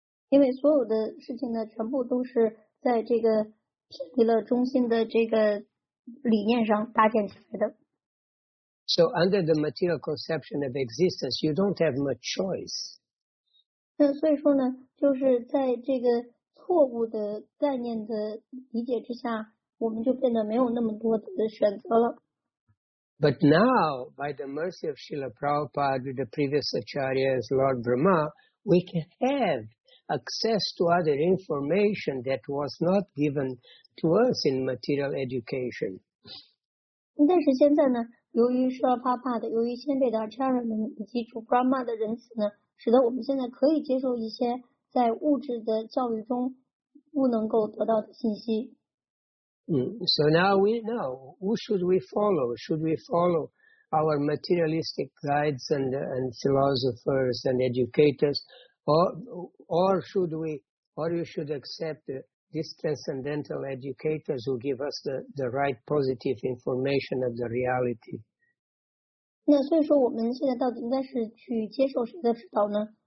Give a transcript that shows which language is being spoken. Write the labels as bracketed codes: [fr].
[zh] 因为所有的事情呢，全部都是在这个偏离了中心的这个理念上搭建起来的。 [en] So under the material conception of existence, you don't have much choice. [zh] 所以说呢，就是在这个错误的概念的理解之下，我们就变得没有那么多的选择了。 [en] But now, by the mercy of Srila Prabhupada, with the previous acharyas, Lord Brahma, we can have access to other information that was not given to us in material education. [zh] 但是现在呢？由于舍帕帕的，由于先辈的阿查尔们以及主 Brahma 的仁慈呢，使得我们现在可以接受一些在物质的教育中不能够得到的信息。 [en] So now we know who should we follow? Should we follow our materialistic guides and philosophers and educators, Or you should accept these transcendental educators who give us the right positive information of the reality. [zh] 那所以说我们现在到底应该是去接受谁的指导呢？